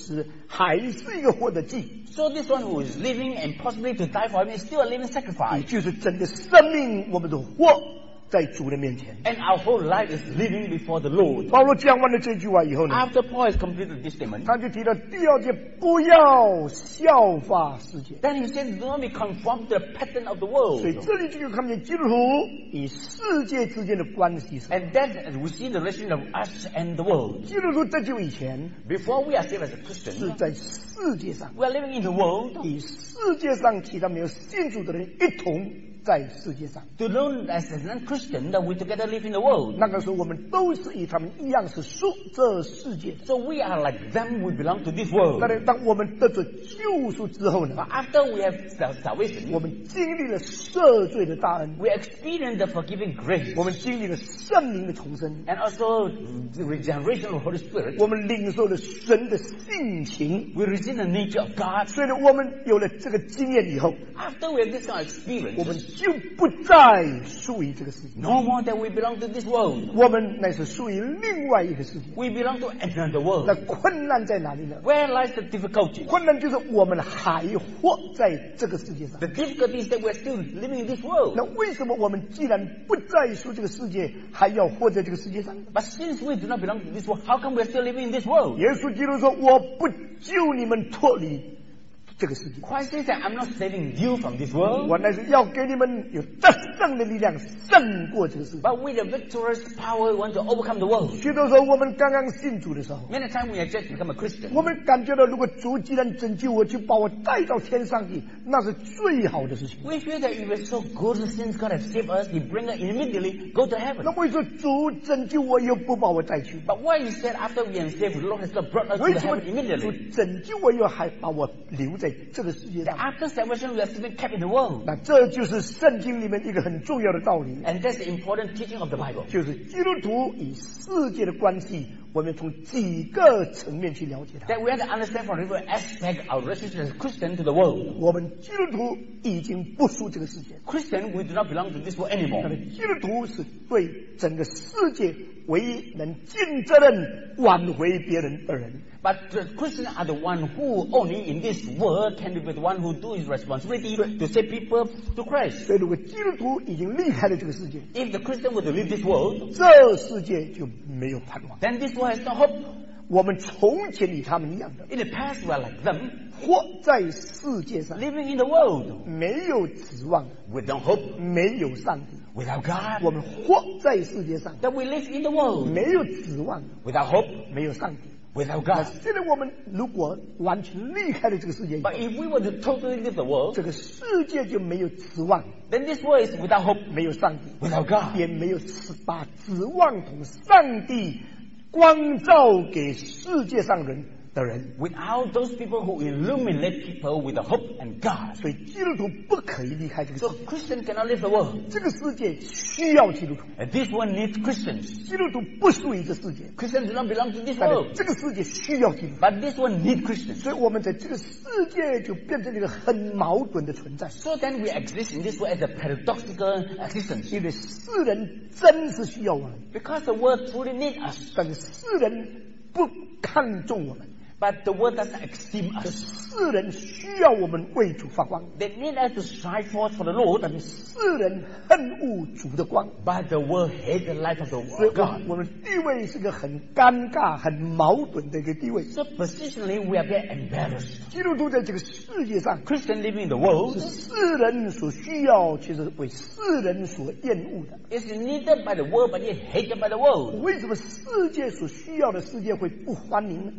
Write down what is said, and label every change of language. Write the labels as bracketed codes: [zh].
[zh] 那这个的活着甚至肯为主死还是一个活的祭， [en] so this one who is living and possibly to die for him is still a living sacrifice. [zh] 也就是整个生命我们都活 在主的面前， [en] and our whole life is living before the Lord. [zh] 保罗讲完了这句话以后呢， [en] after Paul has completed this statement, [zh] 他就提到第二节，不要效法世界。 [en] Then he said, do not be conformed to the pattern of the world. [zh] 所以这里就看见基督徒与世界之间的关系是， [en] and that we see the relationship of us and the world. [zh] 基督徒得救以前， [en] before we are saved as a Christian, [zh] 是在世界上， [en] we are living in the world. [zh] 与世界上其他没有信主的人一同， 在世界上， [en] to learn as a non-Christian that we together live in the world. [zh] 那个时候我们都是与他们一样是属这世界， [en] so we are like them, we belong to this world. [zh] 但是当我们得着救赎之后呢， [en] but after we have salvation, [zh] 我们经历了赦罪的大恩， [en] we experience the forgiving grace, [zh] 我们经历了圣灵的重生， [en] and also the regeneration of the Holy Spirit. [zh] 我们领受了神的性情， [en] we receive the nature of God. [zh] 所以呢，我们有了这个经验以后， [en] after we have this kind of experience, [zh] 就不再属于这个世界。 [en] No more that we belong to this world. [zh] 我们乃是属于另外一个世界。 [en] We belong to another world. [zh] 那困难在哪里呢？ [en] Where lies the difficulty? [zh] 困难就是我们还活在这个世界上。 [en] The difficulty is that we're still living in this world. [zh] 那为什么我们既然不再属于这个世界，还要活在这个世界上？ [en] But since we do not belong to this world, how come we're still living in this world? [zh] 耶稣基督说：“我不救你们脱离。” [en] Christ says that I'm not saving you from this world. [zh] 我乃是要给你们有得胜的力量，胜过这个世界。 [en] But with a victorious power, want to overcome the world. [zh] 许多时候我们刚刚信主的时候 [en] ，Many times we have just become a Christian. [zh] 我们感觉到如果主既然拯救我，就把我带到天上去，那是最好的事情。 [en] We feel that if it's so good, since God has saved us, He bring us immediately go to heaven. [zh] 那为什么主拯救我又不把我带去 [en] ？But why is that after we are saved, Lord has not brought us to heaven immediately? [zh] 为什么主拯救我又还把我留在？这个世界上 [en] After salvation, we are still kept in the world. [zh] 那这就是圣经里面一个很重要的道理 [en] And that's the important teaching of the Bible. [zh] 就是基督徒与世界的关系，我们从几个层面去了解它。 [en] That we have to understand from different aspect our relationship as Christian to the world. [zh] 我们基督徒已经不属这个世界 [en] Christian, we do not belong to this world anymore. [zh] 那基督徒是对整个世界唯一能尽责任挽回别人的人。 [en] But the Christians are the one who only in this world can be the one who do his responsibility to save people to Christ. [zh] 所以如果基督徒已经离开了这个世界 [en] If the Christian were to leave this world, [zh] 这世界就没有盼望 [en] Then this world has no hope. [zh] 我们从前与他们一样的 [en] In the past we are like them. [zh] 活在世界上 [en] Living in the world. [zh] 没有指望 [en] With no hope. [zh] 没有上帝 [en] Without God. [zh] 我们活在世界上 [en] That we live in the world. [zh] 没有指望 [en] Without hope. [zh] 没有上帝 [en] Without God. [zh] 现在我们如果完全离开了这个世界 [en] But if we were to totally leave the world, [zh] 这个世界就没有指望 [en] Then this world is without hope, [zh] 没有上帝 [en] Without God. [zh] 也没有把指望同上帝光照给世界上人的人 [en] Without those people who illuminate people with the hope and God. [zh] 所以基督徒不可以离开这个世界 [en] So Christians cannot leave the world. [zh] 这个世界需要基督徒 [en] And this one needs Christians. [zh] 基督徒不属于这个世界 [en] Christians do not belong to this world. [zh] 这个世界需要基督徒 [en] But this one needs Christians. [zh] 所以我们在这个世界就变成一个很矛盾的存在 [en] So then we exist in this world as a paradoxical existence. [zh] 因为世人真是需要我们 [en] Because the world truly needs us. [zh] 但是世人不看重我们 [en] But the world doesn't esteem us. [zh] 世人需要我们为主发光。 [en] They need us to shine forth for the Lord. [zh] 但是世人恨恶主的光。 [en] But the world hates the light of the world. [zh] 所以我们地位是个很尴尬、很矛盾的一个地位。 [en] So positionally, we are very embarrassed. [zh] 基督徒在这个世界上 [en] ，Christian living in the world [zh] 是世人所需要，却是为世人所厌恶的。 [en] It's needed by the world, but it's hated by the world. [zh] 为什么世界所需要的世界会不欢迎呢